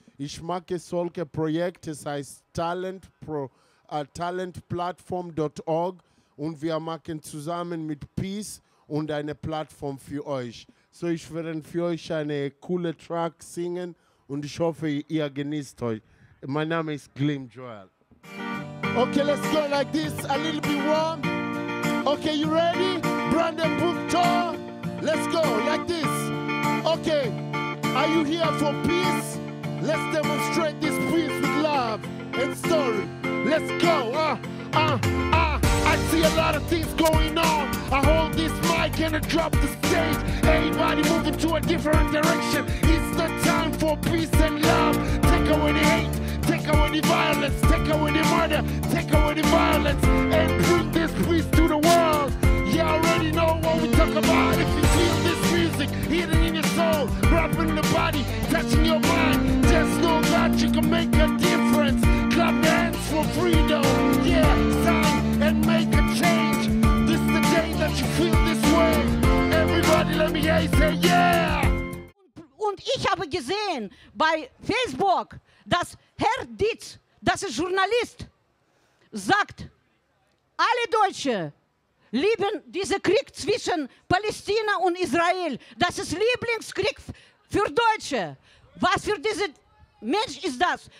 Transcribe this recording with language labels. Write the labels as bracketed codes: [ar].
[de] Ich mache solche Projekte, das heißt talentplattform.org und wir machen zusammen mit Peace und eine Plattform für euch. So, ich werde für euch eine coole Track singen und ich hoffe, ihr genießt euch. Mein Name ist Glim Joel. [en] Okay, let's go like this, a little bit warm. Okay, you ready? Brandenburg Tor. Let's go like this. Okay. Are you here for peace? Let's demonstrate this peace with love and story. Let's go. I see a lot of things going on. I hold this mic and I drop the stage. Everybody moving to a different direction. It's the time for peace and love. Take away the hate. Take away the violence. Take away the murder. Take away the violence. And bring this peace to the world. Yeah, I already know what we talk about. If you feel this music hidden in your soul, wrapping the body, touching your mind, just know that you can make a difference. Clap your hands for freedom, yeah, sound, and make a change. This is the day that you feel this way. Everybody let me hear you say yeah. [de] Und ich habe gesehen bei Facebook, dass Herr Dietz, das ist Journalist, sagt, alle Deutsche lieben diesen Krieg zwischen Palästina und Israel. Das ist Lieblingskrieg für Deutsche. Was für dieser Mensch ist das?